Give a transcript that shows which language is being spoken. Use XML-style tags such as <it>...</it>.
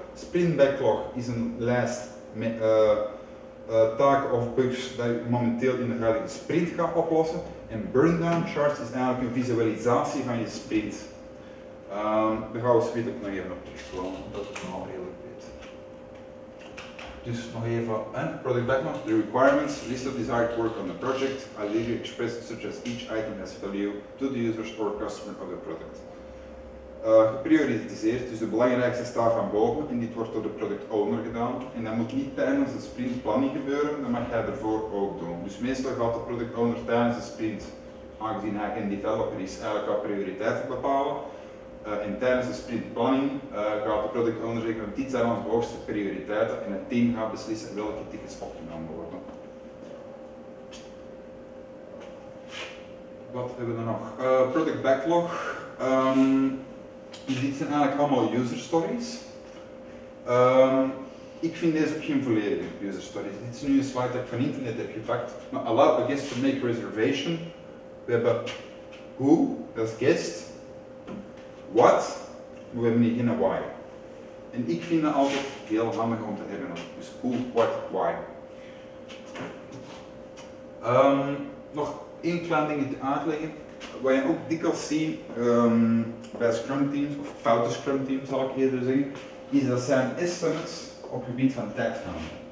<nl>Sprint backlog is een lijst met taken of bugs die je momenteel in de huidige sprint gaat oplossen. En burndown charts is eigenlijk een visualisatie van je sprint. Daar gaan we zo ook nog even op terugkomen, dat is nogal redelijk weet. Dus nog even, en</nl> <en>product backlog, the requirements, list of desired work on the project, ideally expressed such as each item has value to the users or customer of the product.</en> <nl>Geprioritiseerd, dus de belangrijkste staat van boven en dit wordt door de product owner gedaan. En dat moet niet tijdens de sprint planning gebeuren, dat mag jij ervoor ook doen. Dus meestal gaat de product owner tijdens de sprint, aangezien hij een developer is, eigenlijk wat prioriteiten bepalen. En tijdens de sprint planning gaat de product owner zeggen dat dit zijn onze hoogste prioriteiten en het team gaat beslissen welke tickets opgenomen worden. Wat hebben we nog? Product backlog. Dit zijn eigenlijk allemaal user stories. Ik vind deze ook geen volledige user stories. Dit is nu een slide dat ik van internet heb gepakt.</nl> <en>Maar allow a guest to make reservation.</en> <nl>We hebben who, dat is guest. Wat? We hebben niet in een why. En ik vind dat altijd heel handig om te hebben. Dus who, what, why. Nog één klein dingetje uitleggen. Wat je ook dikwijls ziet bij Scrum teams, of foute Scrum teams zal ik eerder zeggen, is dat zijn estimates op het gebied van tijd gaan.</nl>